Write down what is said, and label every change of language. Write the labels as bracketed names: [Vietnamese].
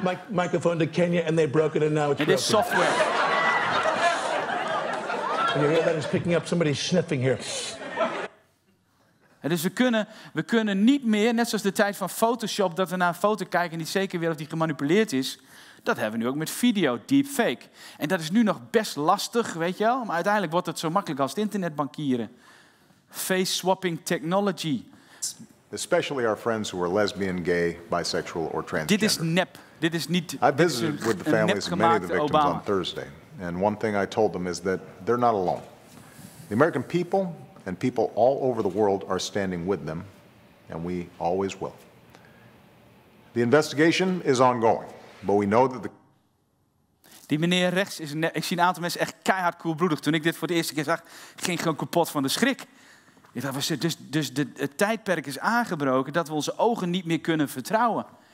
[English] They took my microphone to Kenya and they broke it and now it's broken. It is software. And you hear that? It's picking up somebody sniffing here. [Dutch] En dus we kunnen niet meer, net zoals de tijd van Photoshop, dat we naar een foto kijken en niet zeker weten of die gemanipuleerd is. Dat hebben we nu ook met video, deepfake. En dat is nu nog best lastig, weet je wel? Maar uiteindelijk wordt het zo makkelijk als het internetbankieren. [English] Face swapping technology. Especially our friends who are lesbian, gay, bisexual, or transgender. [Dutch] Dit is nep. Dit is niet. [English] I visited with the families of many of the victims Obama on Thursday, and one thing I told them is that they're not alone. The American people and people all over the world are standing with them, and we always will. The investigation is ongoing, but we know that the. [Dutch] Die meneer rechts is. Ik zie een aantal mensen echt keihard koelbloedig. Toen ik dit voor de eerste keer zag, ging gewoon kapot van de schrik. Dus het tijdperk is aangebroken dat we onze ogen niet meer kunnen vertrouwen.